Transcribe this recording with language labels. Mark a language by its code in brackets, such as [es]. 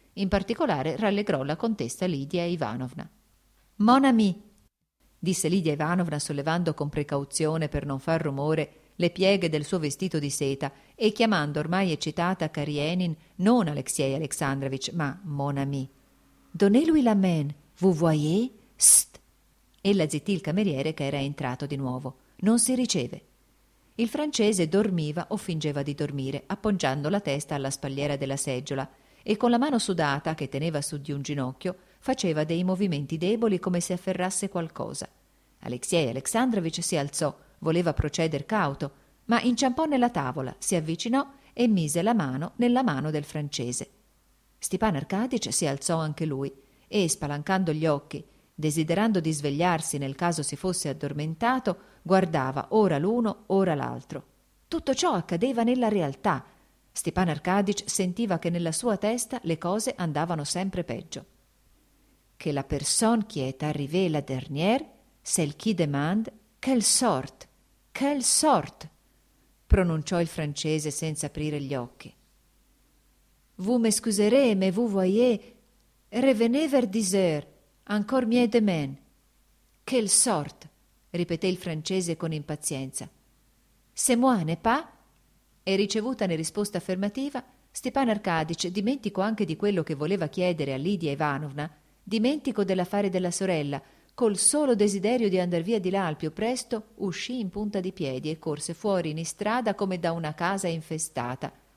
[it] In particolare rallegrò la contessa Lidia Ivanovna. [fr] «Mon ami!» [it] disse Lidia Ivanovna sollevando con precauzione per non far rumore le pieghe del suo vestito di seta e chiamando ormai eccitata Karienin non Alexei Alexandrovich, ma [fr] «Mon ami!» «Donnez-lui la main, vous voyez? Sst!» [it] Ella zittì il cameriere che era entrato di nuovo. «Non si riceve!» Il francese dormiva o fingeva di dormire, appoggiando la testa alla spalliera della seggiola e con la mano sudata, che teneva su di un ginocchio, faceva dei movimenti deboli come se afferrasse qualcosa. Alexei Alexandrovich si alzò, voleva procedere cauto, ma inciampò nella tavola, si avvicinò e mise la mano nella mano del francese. Stepan Arkadyč si alzò anche lui e, spalancando gli occhi, desiderando di svegliarsi nel caso si fosse addormentato, guardava ora l'uno, ora l'altro. Tutto ciò accadeva nella realtà. Stepan Arkadyč sentiva che nella sua testa le cose andavano sempre peggio. [fr] «Che la personne qui est arrivée la dernière, celle qui demande, quelle sorte, quelle sorte!» [it] pronunciò il francese senza aprire gli occhi. [fr] «Vous m'excuserez, mais vous voyez, revenez vers 10 heures, encore mieux demain. Quelle sorte!» [it] ripeté il francese con impazienza. [fr] «C'est moi, n'est pas?» [it] E ricevuta ne risposta affermativa, Stepan Arkadyč, dimentico anche di quello che voleva chiedere a Lidia Ivanovna, dimentico dell'affare della sorella, col solo desiderio di andar via di là al più presto, uscì in punta di piedi e corse fuori in strada come da una casa infestata.